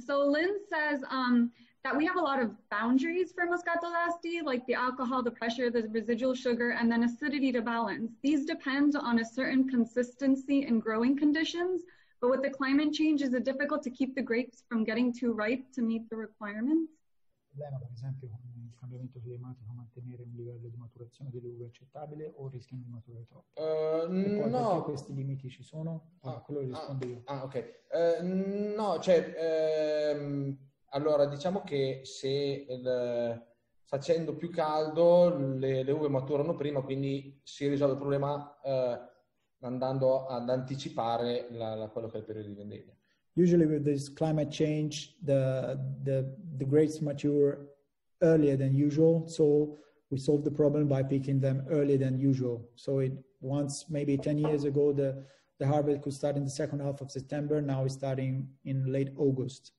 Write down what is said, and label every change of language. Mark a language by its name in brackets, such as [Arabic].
[English] So Lynn says that we have a lot of boundaries for Moscato d'Asti, like the alcohol, the pressure, the residual sugar, and then acidity to balance. These depend on a certain consistency in growing conditions, but with the climate change, is it difficult to keep the grapes from getting too ripe to meet the requirements? [Italian] Per esempio, con il cambiamento climatico, mantenere un livello di maturazione delle uve accettabile o rischiamo di maturare troppo? No. Perché questi limiti ci sono? Quello rispondo io. Ok. Allora, diciamo che se facendo più caldo le uve maturano prima, quindi si risolve il problema andando ad anticipare quello che è il periodo di vendemmia. [English] Usually with this climate change, the grapes mature earlier than usual, so we solve the problem by picking them earlier than usual. So it once maybe 10 years ago the harvest could start in the second half of September, now it's starting in late August.